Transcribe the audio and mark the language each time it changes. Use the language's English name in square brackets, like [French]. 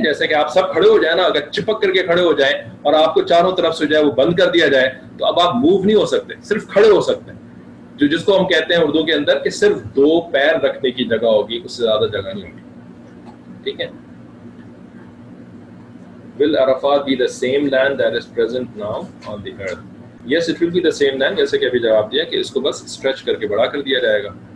[Urdu] جیسے کہ آپ سب کھڑے ہو جائیں نا, اگر چپک کر کے کھڑے ہو جائیں اور آپ کو چاروں طرف سے جو ہے وہ بند کر دیا جائے تو اب آپ موو نہیں ہو سکتے, صرف کھڑے ہو سکتے ہیں, جو جس کو ہم کہتے ہیں اردو کے اندر کہ صرف دو پیر رکھنے کی جگہ ہوگی, اس سے زیادہ جگہ نہیں ہوگی, ٹھیک ہے. [English] Will Arafat be the same land that is present now on the earth? Yes, it will be the same land. [Urdu] جیسے کہ ابھی جواب دیا کہ اس کو بس اسٹریچ کر کے بڑا کر دیا جائے گا.